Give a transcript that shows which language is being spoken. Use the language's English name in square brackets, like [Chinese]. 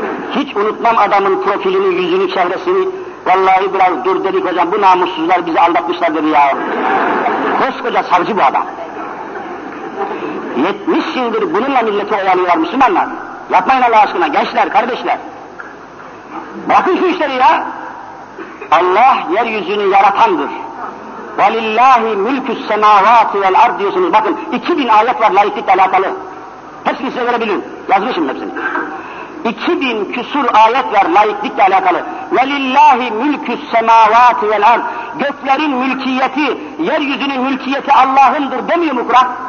[Turkish] Hiç unutmam adamın profilini, yüzünü, çevresini. Vallahi biraz dur dedik hocam, bu namussuzlar bizi aldatmışlar dedi ya. Koskoca savcı bu adam. 70 yıldır bununla milleti oyalıyorlar Müslümanlar. Yapmayın Allah aşkına gençler, kardeşler. Bakın şu işleri ya. Allah yeryüzünü yaratandır. [Arabic] وَلِلَّهِ مُلْكُ السَّمَاوَاتِ وَالْاَرْضِ [Turkish] diyorsunuz. Bakın 2000 ayet var laiklikle alakalı. Hepsini size verebilirim. Yazmışım hepsini. 2000 küsur ayet var laiklikle alakalı. [Arabic] وَلِلَّهِ مُلْكُ السَّمَاوَاتِ وَالْاَرْضِ [Turkish] göklerin mülkiyeti, yeryüzünün mülkiyeti Allah'ındır demiyor mu Kur'an?